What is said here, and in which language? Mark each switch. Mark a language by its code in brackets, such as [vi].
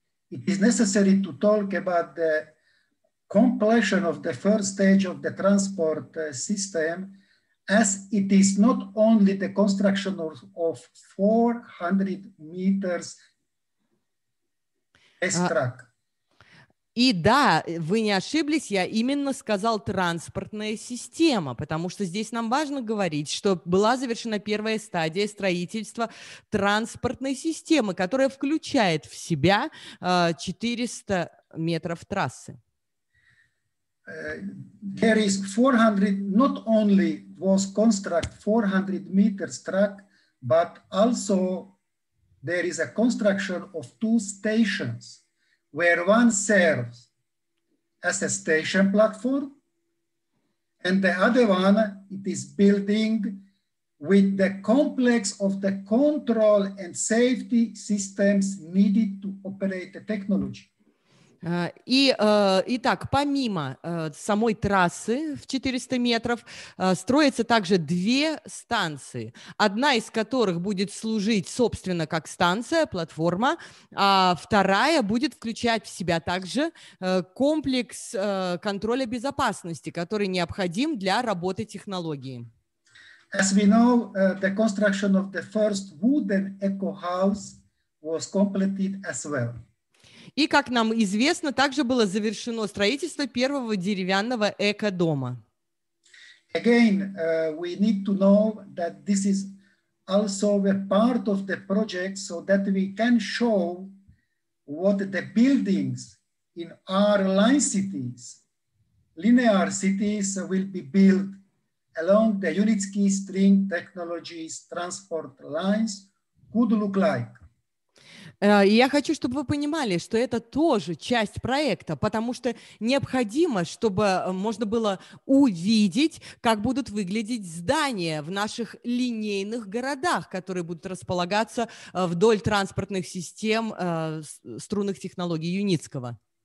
[en] It is necessary to talk about the completion of the first stage of the transport system, as it is not only the construction of 400 meters S-track. [ru] И да, вы не ошиблись, я именно сказал транспортная система, потому что здесь нам важно говорить, что была завершена первая стадия строительства транспортной системы, которая включает в себя 400 метров трассы. [en] There is 400, not only was construct 400 meters track, but also there is a construction of two stations, where one serves as a station platform, and the other one, it is building with the complex of the control and safety systems needed to operate the technology. [ru] Итак, помимо самой трассы в 400 метров, строятся также две станции, одна из которых будет служить, собственно, как станция, платформа, а вторая будет включать в себя также комплекс контроля безопасности, который необходим для работы технологии. [en] As we know, the construction of the first wooden eco house was completed as well. [ru] И, как нам известно, также было завершено строительство первого деревянного эко-дома. [en] Again, we need to know that this is also a part of the project so that we can show what the buildings in our line cities, linear cities, will be built along the Unitsky String Technologies transport lines could look like. [ru] Я хочу, чтобы вы понимали, что это тоже часть проекта, потому что необходимо, чтобы можно было увидеть, как будут выглядеть здания в наших линейных городах, которые будут располагаться вдоль транспортных систем струнных технологий Юницкого.